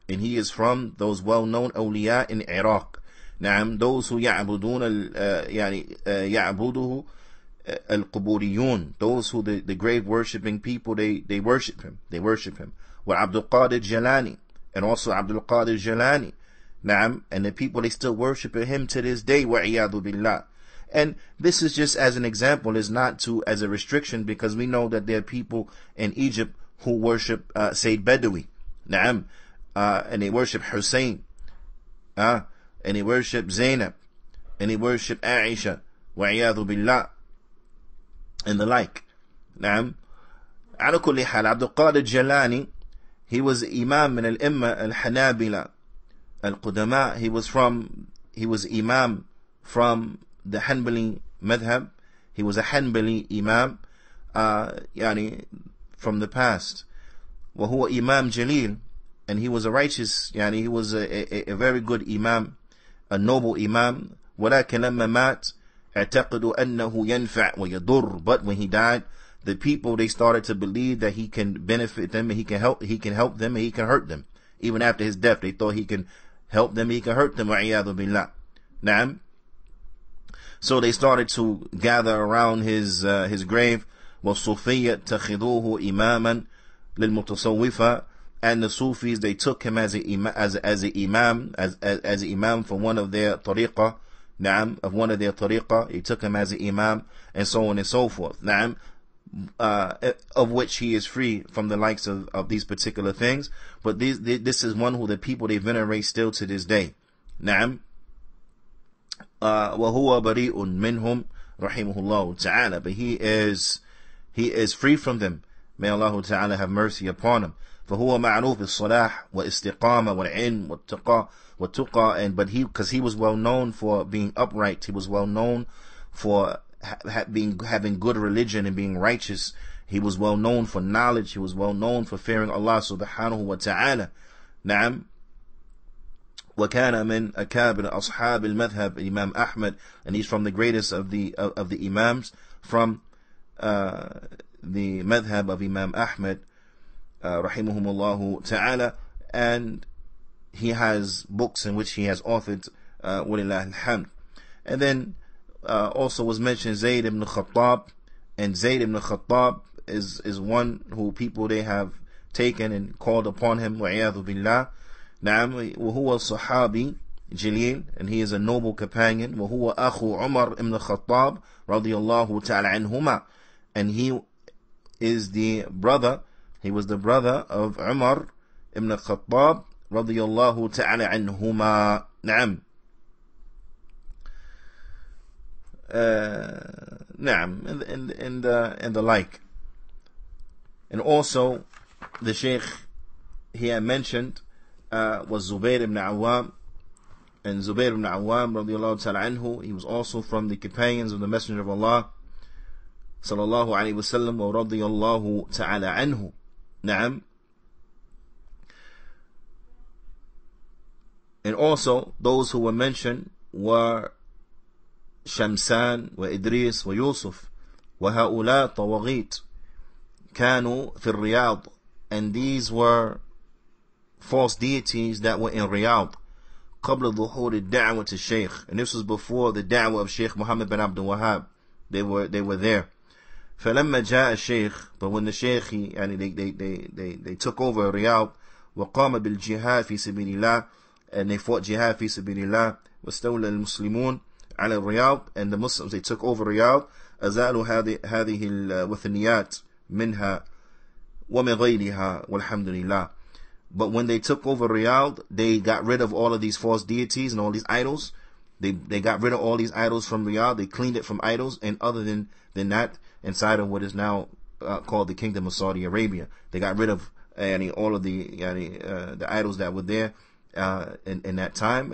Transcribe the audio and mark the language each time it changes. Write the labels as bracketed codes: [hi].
[en] And he is from those well-known أولياء in Iraq. نعم, those who [ar] يعبدون يعني يعبده القبوريون, [en] those who the grave worshipping people, they worship him, they worship him. وعبد القادر جيلاني, and also عبد القادر جيلاني. نعم, and the people, they still worship him to this day. [ar] وعياذ بالله. [en] And this is just as an example, is not to as a restriction, because we know that there are people in Egypt who worship Sayyid Bedawi. نعم, and they worship Hussein, and they worship Zainab, and they worship Aisha, [ar] وعياذ بالله, [en] and the like. [ar] نعم, على كل حال, عبد القادر جيلاني, [en] he was Imam [ar] من الأمة الحنابلة القدماء. [en] He was Imam from the Hanbali madhab. He was a Hanbali Imam, yani from the past. [ar] وهو Imam جليل, [en] and he was a righteous, yani he was a very good Imam, a noble Imam. [ar] ولكن لما مات اعتقد أنه ينفع ويضر. [en] But when he died, the people, they started to believe that he can benefit them, and he can help them, and he can hurt them. Even after his death, they thought he can help them, he can hurt them. [ar] وعياذ بالله. نعم. [en] So they started to gather around his grave. [ar] والصوفية تخذوه إماما للمتصوفة. [en] And the Sufis, they took him as an imam from one of their tariqa. نعم, of one of their tariqa, he took him as an imam, and so on and so forth. [ar] نعم. [en] Of which he is free from the likes of these particular things. But this is one who the people, they venerate still to this day. [ar] نعم. وهو بريء منهم رحمه الله تعالى. [en] But he is free from them. May Allah Ta'ala have mercy upon him. [ar] فهو معروف الصلاح والاستقامة والعلم والتقى. [en] And but he, because he was well known for being upright, he was well known for having good religion and being righteous. He was well known for knowledge. He was well known for fearing Allah Subhanahu wa Ta'ala. [ar] نعم. وكان من أكابر أصحاب المذهب الإمام أحمد. [en] And he's from the greatest of the imams from the madhab of Imam Ahmad, [ar] رحمهم الله تعالى. [en] And he has books in which he has authored, [ar] ولله الحمد. [en] And then also was mentioned Zayd ibn Khattab. And Zayd ibn Khattab is one who people, they have taken and called upon him, [ar] وعياذ بالله. [en] نعم, [ar] وهو صحابي جليل, [en] and he is a noble companion. [ar] وهو أخو عمر ابن الخطاب رضي الله تعالى عنهما. [en] And he is the brother, he was the brother of عمر ابن الخطاب [ar] رضي الله تعالى عنهما. نعم. [en] نعم, and the like. And also the Sheikh, he had mentioned was Zubair ibn Awam. And Zubair ibn Awam radiallahu ta'ala anhu, he was also from the companions of the Messenger of Allah sallallahu alayhi wa sallam wa radiallahu ta'ala anhu. Na'am. And also those who were mentioned were Shamsan wa Idris wa Yusuf [ar] wa ha'ula tawagheet kanu fi al-Riyad. [en] And these were false deities that were in Riyadh, [ar] قبل ظهور الدعوة الشيخ. [en] And this was before the da'wah of Sheikh Muhammad bin Abdul Wahhab. They were there. [ar] فلما جاء الشيخ, [en] but when the Sheikh, [ar] يعني [en] they took over Riyadh, [ar] وقام بالجهاد في سبيل الله, [en] and they fought jihad [ar] في سبيل الله, واستولى المسلمون على الرياض, [en] and the Muslims, they took over Riyadh, [ar] أزالوا هذه الوثنيات منها ومن غيرها والحمد لله. [en] But when they took over Riyadh, they got rid of all of these false deities and all these idols. They got rid of all these idols from Riyadh. They cleaned it from idols. And other than that, inside of what is now called the Kingdom of Saudi Arabia, they got rid of all of the idols that were there in that time.